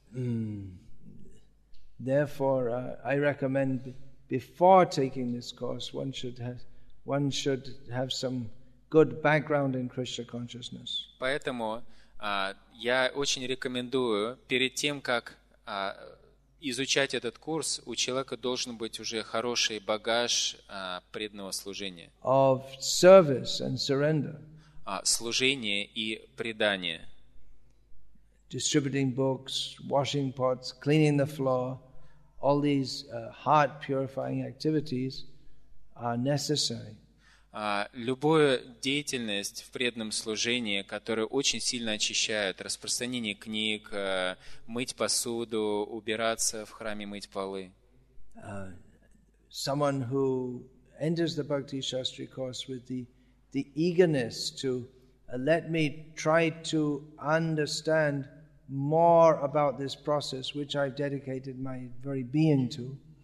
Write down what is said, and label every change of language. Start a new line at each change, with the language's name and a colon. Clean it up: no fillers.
English: Therefore, I recommend before taking this course, one should have some good background in Krishna consciousness.
Russian: Поэтому я очень рекомендую перед тем, как изучать этот курс, у человека должен быть уже хороший багаж преданного служения.
English: Of service and surrender.
Russian: Служение и предание.
English: Distributing books, washing pots, cleaning the floor. All these heart purifying activities are necessary.
Russian: Любую деятельность в преданном служении, которая очень сильно очищает, распространение книг, мыть посуду, убираться в храме, мыть полы.
English: Someone who enters the Bhakti Shastri course with the eagerness to let me try to understand more about this process which I've dedicated my very being to.